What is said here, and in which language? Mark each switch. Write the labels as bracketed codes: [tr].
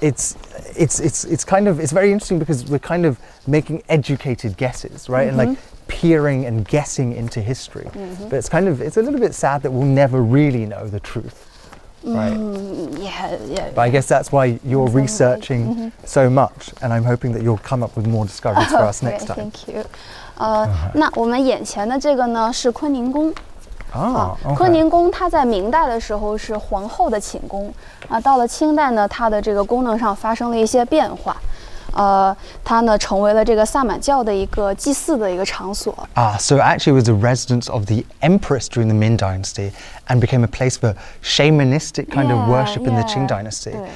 [en] It's very interesting because we're kind of making educated guesses, right? And like peering and guessing into history. Mm-hmm. But it's a little bit sad that we'll never really know the truth, right? Mm, yeah. But I guess that's why you're exactly. researching mm-hmm. so much. And I'm hoping that you'll come up with more discoveries for us next time. Thank you. Uh-huh. [zh] 那我们眼前的这个呢是坤宁宫。坤宁宫它在明代的时候是皇后的寝宫，到了清代呢它的这个功能上发生了一些变化，它呢成为了这个萨满教的一个祭祀的一个场所。 [en] So actually it was the residence of the empress during the Ming Dynasty and became a place for shamanistic kind of worship in the Qing Dynasty.